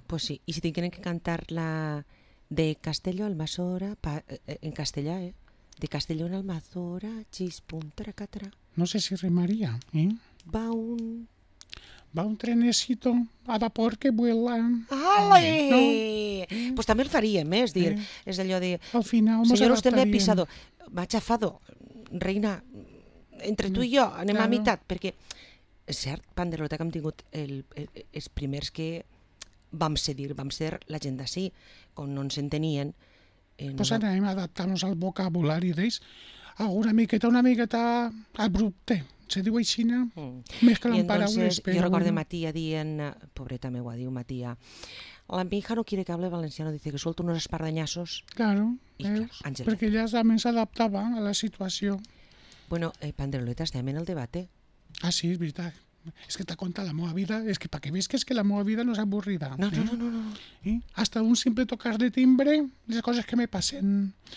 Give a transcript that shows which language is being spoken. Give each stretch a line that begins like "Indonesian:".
Spanish: Pues sí, y si tienen que cantar la de Castelló Almassora
Catalan: en castellà,
Spanish: de Castelló Almassora chispuntracatra. No sé si rimaría, ¿eh? Va un trenecito a vapor que vuela. ¡Ale! No?
Catalan: Pues també el faríem, és dir, és allò de... Al final m'ho adaptaríem. Senyor,
Spanish: usted me ha pisado,
Catalan: m'ha chafado, reina, entre tu i jo anem a mitat, perquè és cert, Panderlota, que hem tingut els primers que vam ser la gent d'ací, quan no ens entenien. Pues no... anem a adaptar-nos al vocabulari d'ells, una miqueta abrupte. Se diu aixina, mezclen paraules, però... Jo recordo Matia dient, pobreta meua, diu Matia,
Spanish: la mi hija no quiere que hable valenciano, dice que suelto unos espardanyassos.
Catalan: Claro, Àngel, perquè ella també s'adaptava a la situació. Bueno, Panderoleta, estem en el debat. Ah, sí, és veritat. És que t'ha contat la meva vida, és que perquè veus que és que la meva vida no és avorrida. No.
Spanish: Hasta un simple tocar de timbre,
Catalan: les coses que me passen.